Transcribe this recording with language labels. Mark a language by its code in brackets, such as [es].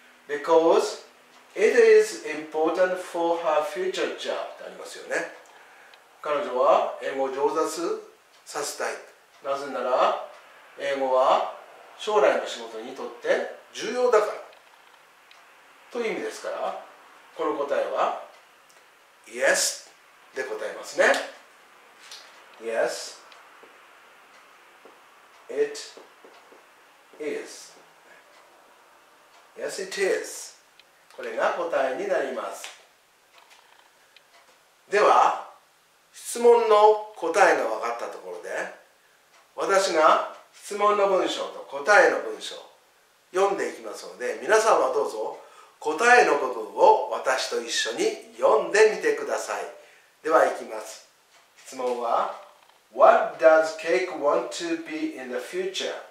[en] Because it is important for her future job. [ja] ってありますよね。彼女は英語を上達させたい。なぜなら、英語は将来の仕事にとって重要だからという意味ですから、この答えは Yes で答えますね。 [en] Yes it is。 Yes it is、 [ja] これが答えになります。では質問の答えが分かったところで、私が質問の文章と答えの文章読んでいきますので、皆さんはどうぞ答えの部分を私と一緒に読んでみてください。ではいきます。質問は [en] What does Cake want to be in the future?